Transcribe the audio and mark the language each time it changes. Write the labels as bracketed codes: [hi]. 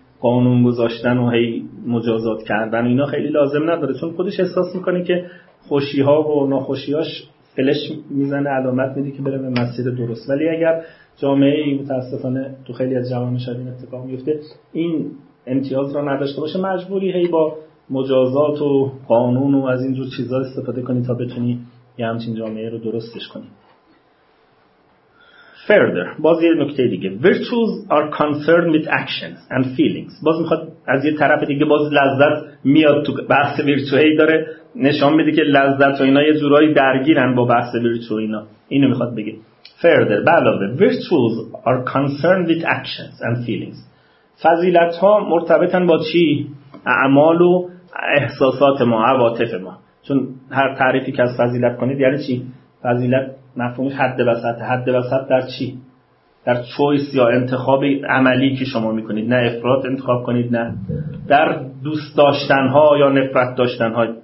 [fa] قانون گذاشتن و هی مجازات کردن اینا خیلی لازم نداره، چون خودش احساس میکنه که خوشیها و ناخوشیهاش فلش میزنه، علامت میده که بره به مسیر درست. ولی اگر جامعه ای متاسفانه تو خیلی از جوامع شاید این اتفاق میفته، این امتیاز را نداشته باشه، مجبوری هی با مجازات و قانون و از اینجور چیزا استفاده کنی تا بتونی یه همچین جامعه رو درستش کنی. [en] Further، [fa] باز یه نکته دیگه، [en] Virtues are concerned with actions and feelings. [fa] باز میخواد از یه طرف دیگه، باز لذت میاد تو بحث ویرتوهی داره نشان میده که لذت و اینا یه جورایی درگیرن با بحث ویرتوه اینا، اینو میخواد بگه. [en] Further، بعلاوه، Virtues are concerned with actions and feelings. [fa] فضیلت ها مرتبطن با چی؟ اعمال و احساسات ما، عواطف ما. چون هر تعریفی که از فضیلت کنید یعنی چی؟ فضیلت مفهومش حد وسط. حد وسط در چی؟ در چویس یا انتخاب عملی که شما میکنید، نه افراد انتخاب کنید، نه در دوست داشتن ها یا نفرت داشتن ها.